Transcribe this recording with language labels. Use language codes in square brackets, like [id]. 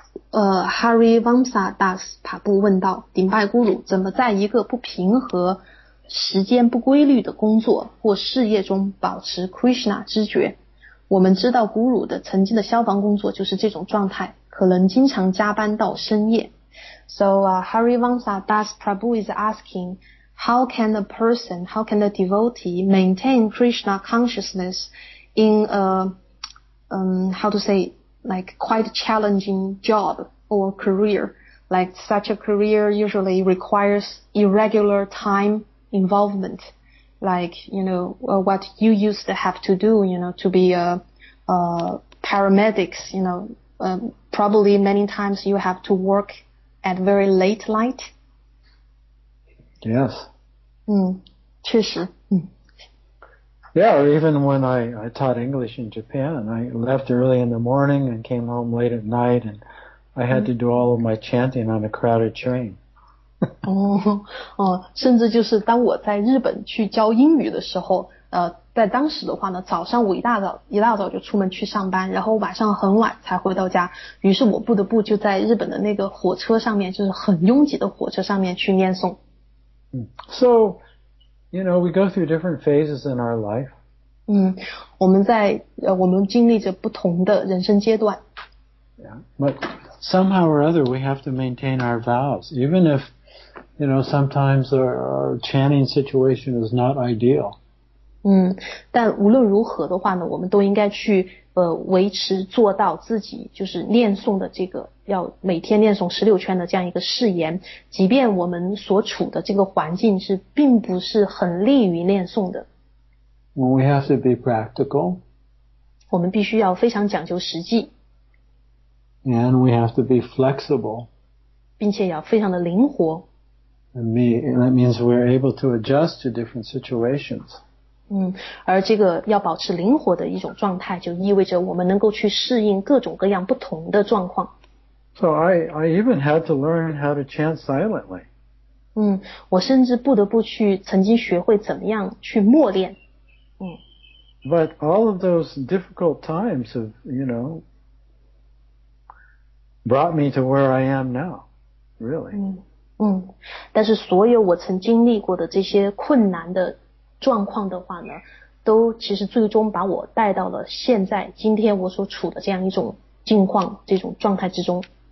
[zh] Hari Vamsa Das 塔布问道，顶拜咕噜怎么在一个不平和时间不规律的工作或事业中保持 Krishna 知觉？我们知道 Guru 的曾经的消防工作就是这种状态，可能经常加班到深夜。 [en] So Hari Vamsa Das Prabhu is asking, how can a person, how can a devotee maintain Krishna consciousness in a how to say, like quite challenging job or career? Like such a career usually requires irregular timeinvolvement, like, you know, what you used to have to do, you know, to be a paramedics, you know, probably many times you have to work at very late light. Yes. [zh] 嗯，确实。嗯。 [en] Yeah, or even when I taught English in Japan, I left early in the morning and came home late at night, and I had to do all of my chanting on a crowded train. [zh] 哦，甚至就是当我在日本去教英语的时候，在当时的话呢，早上我一大早就出门去上班，然后晚上很晚才回到家，于是我不得不就在日本的那个火车上面，就是很拥挤的火车上面去念诵。 [en] So, you know, we go through different phases in our life. [zh] 嗯，我们经历着不同的人生阶段。 [en] Yeah, but somehow or other, we have to maintain our vows, even if, you know, sometimes our chanting situation is not ideal. [zh] 嗯，但无论如何的话呢，我们都应该去维持做到自己就是念诵的这个要每天念诵十六圈的这样一个誓言，即便我们所处的这个环境是并不是很利于念诵的。 [en] Well, we have to be practical. [zh] 我们必须要非常讲究实际。 [en] And we have to be flexible. [zh] 并且要非常的灵活。 [en] And that means we're able to adjust to different situations. [zh] 嗯，而这个要保持灵活的一种状态，就意味着我们能够去适应各种各样不同的状况。 [en] So I even had to learn how to chant silently. [zh] 嗯，我甚至不得不去曾经学会怎么样去默念。嗯。 [en] But all of those difficult times of, you know,brought me to where I am now, really. [zh] 但是所有我曾经历过的这些困难的状况的话呢，都其实最终把我带到了现在，今天我所处的这样一种境况，这种状态之中。